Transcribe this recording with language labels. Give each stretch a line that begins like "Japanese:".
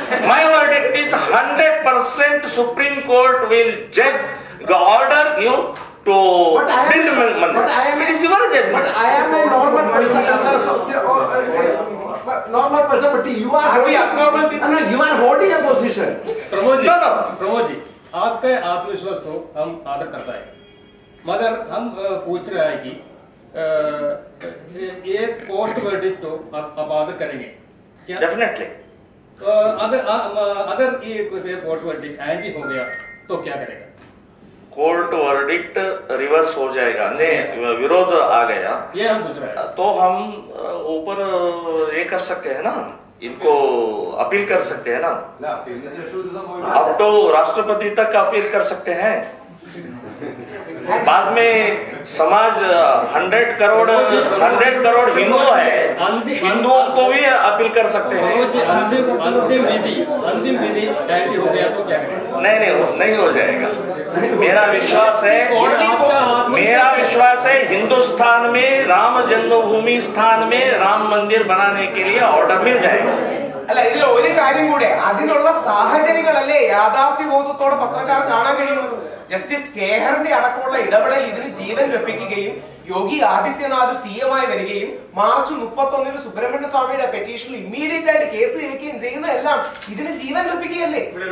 English: My verdict is 100% Supreme Court will judge, order you to build a temple. It is your judgment. But I am a normal person. Normal person, but you are holding a position. Pramodji.
Hindi: आपके आत्मविश्वास को हम आदर करता है, मगर हम पूछ रहे हैं कि एक कोर्ट वर्डिक्ट तो आप आदर करेंगे क्या? डेफिनेटली। अगर ये कोर्ट वर्डिक्ट एंटी हो गया तो क्या करेगा? कोर्ट वर्डिक्ट रिवर्स हो जाएगा, विरोध आ गया, ये हम पूछ रहे हैं, तो हम ऊपर ये कर सकते हैं ना, इनको अपील कर सकते हैं ना, अब तो राष्ट्रपति तक अपील कर सकते हैं। बाद में समाज 100 करोड़ हिंदू है, हिंदुओं को भी अपील कर सकते हैं। अंतिम विधि हो गया तो क्या? नहीं नहीं नहीं हो जाएगा। मेरा विश्वास है हिंदुस्तान में राम जन्मभूमि स्थान में राम मंदिर बनाने के लिए ऑर्डर मिल जाएगा।
Malayalam: അല്ല ഇതിൽ ഒരു കാര്യം കൂടെ, അതിനുള്ള സാഹചര്യങ്ങളല്ലേ യാഥാർത്ഥ്യബോധത്തോടെ പത്രക്കാരൻ കാണാൻ കഴിയുന്നത്? ജസ്റ്റിസ് കേഹറിന്റെ അടക്കമുള്ള ഇടപെടൽ ഇതിൽ ജീവൻ വെപ്പിക്കുകയും യോഗി ആദിത്യനാഥ് സി എം ആയി വരികയും മാർച്ച് 31 സുബ്രഹ്മണ്യ സ്വാമിയുടെ പെറ്റീഷനിൽ ഇമ്മീഡിയറ്റ് ആയിട്ട് കേസ് കേൾക്കുകയും ചെയ്യുന്ന എല്ലാം ഇതിന് ജീവൻ വെപ്പിക്കുകയല്ലേ?